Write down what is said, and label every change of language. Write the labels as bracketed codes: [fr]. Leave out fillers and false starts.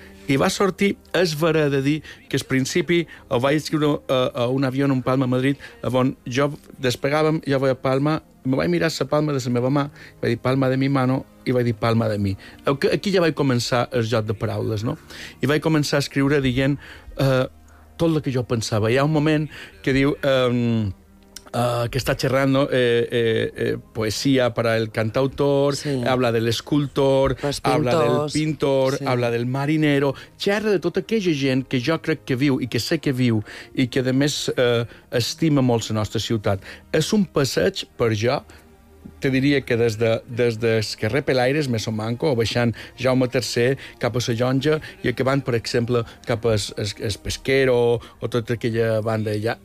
[ca] I va sortir, és vera de dir, que al principi el vaig escriure a un avió en un Palma a Madrid, on jo despegàvem, jo vaig a Palma, me vaig mirar la palma de la meva mà, vaig dir [es] Palma de mi mano, [ca] i vaig dir Palma de mi. Aquí ja vaig començar el joc de paraules, no? I vaig començar a escriure dient tot el que jo pensava. Hi ha un moment que diu... [es] que está cerrando poesía para el cantautor, sí. Habla del escultor, [ca] pintors, [es] habla del pintor, sí. Habla del marinero, [ca] xerra de tota aquella gent que jo crec que viu i que sé que viu i que, a més, estima molt la nostra ciutat. És un passeig per jo, te diria que des de Esquerrer Pelaires, Meso Manco, o baixant Jaume III cap a la Llonja i acabant, per exemple, cap a es Pesquero o tota aquella banda allà.